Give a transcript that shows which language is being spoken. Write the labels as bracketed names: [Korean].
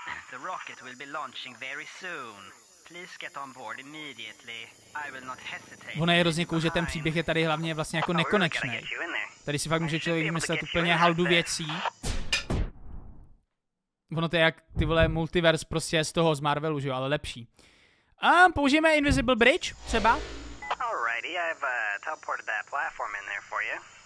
[English] The rocket will be launching very soon. Please get on board immediately. I will not hesitate. [Czech] Ono je hrozně cool, že ten příběh je tady hlavně vlastně jako nekonečný. Tady si fakt může člověk myslet úplně haldu věcí. Ono to je jak ty vole multiverse prostě z toho z Marvelu, že jo, ale lepší. A použijeme Invisible Bridge třeba. [English] Alrighty, I've teleported that platform in there for you.